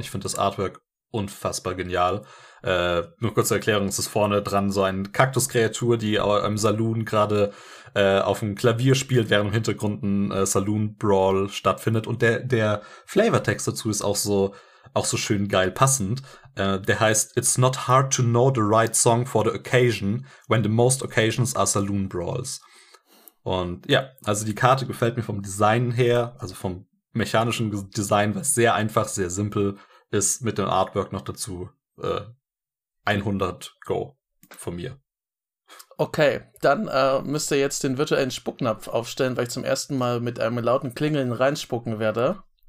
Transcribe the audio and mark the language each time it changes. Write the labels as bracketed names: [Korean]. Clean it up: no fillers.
[German] Ich finde das Artwork unfassbar genial. Nur kurze Erklärung, es ist vorne dran so eine Kaktuskreatur, die im Saloon gerade auf dem Klavier spielt, während im Hintergrund ein Saloon-Brawl stattfindet. Und der Flavortext dazu ist auch so schön geil passend. Der heißt, [English] it's not hard to know the right song for the occasion when the most occasions are Saloon-Brawls. [German] Und ja, also die Karte gefällt mir vom Design her, also vom mechanischen Design, was sehr einfach, sehr simpel ist, mit dem Artwork noch dazu. 100 Go von mir. Okay, dann müsst ihr jetzt den virtuellen Spucknapf aufstellen, weil ich zum ersten Mal mit einem lauten Klingeln reinspucken werde.